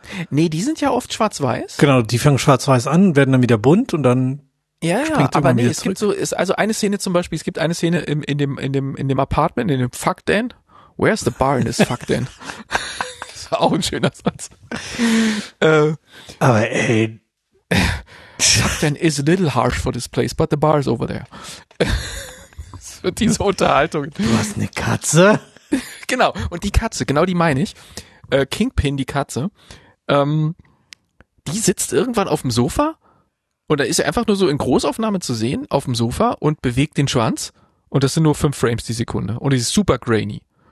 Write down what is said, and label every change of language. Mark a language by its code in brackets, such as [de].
[de] Nee, die sind ja oft schwarz-weiß. Genau, die fangen schwarz-weiß an, werden dann wieder bunt und dann... Ja, aber nee, es zurück. Gibt so, ist also eine Szene zum Beispiel, es gibt eine Szene in dem Apartment, in dem Fuck Den. [en] Where's the bar in this Fuck Den? [de] Das war auch ein schöner Satz. Aber ey. [en] Fuck Den is a little harsh for this place, but the bar is over there. [de] Das wird diese Unterhaltung. Du hast eine Katze? Genau, und die Katze, genau die meine ich. Kingpin, die Katze. Die sitzt irgendwann auf dem Sofa. Und da ist er einfach nur so in Großaufnahme zu sehen auf dem Sofa und bewegt den Schwanz und das sind nur 5 Frames die Sekunde und es ist super grainy.